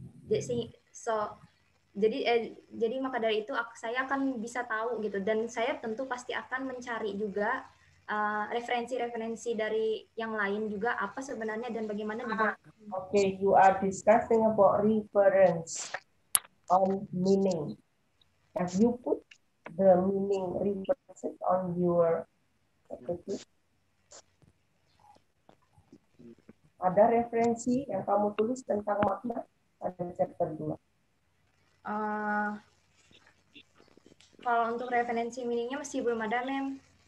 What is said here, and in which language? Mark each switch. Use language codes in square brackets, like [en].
[id] Jadi maka dari itu saya akan bisa tahu gitu, dan saya tentu pasti akan mencari juga referensi-referensi dari yang lain juga apa sebenarnya dan bagaimana juga. [en] Okay, you are discussing about reference. On meaning, have you put the meaning references on your property? [id] Ada referensi yang kamu tulis tentang makna pada chapter 2? Kalau untuk referensi meaningnya masih belum ada, ma'am.